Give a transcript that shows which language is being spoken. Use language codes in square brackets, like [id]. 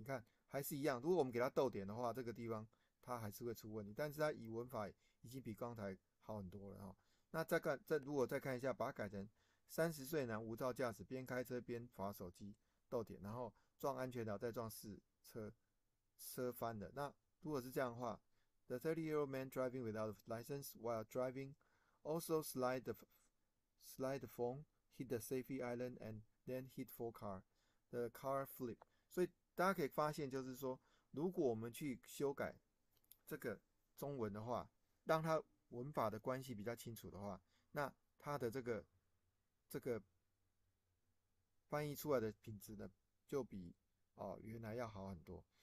[zh] 你看还是一样，如果我们给他逗点的话，这个地方他还是会出问题，但是他以文法已经比刚才。好很多了哈，那再如果再看一下，把它改成30岁男无照驾驶，边开车边滑手机，逗点，然后撞安全岛再撞四车，车翻了。那如果是这样的话， [en] The 30-year-old man driving without a license while driving also slide the phone, hit the safety island and then hit four car, the car flip。 [zh] 所以大家可以发现，就是说，如果我们去修改这个中文的话，让它。文法的关系比较清楚的话，那它的这个翻译出来的品质呢，就比原来要好很多。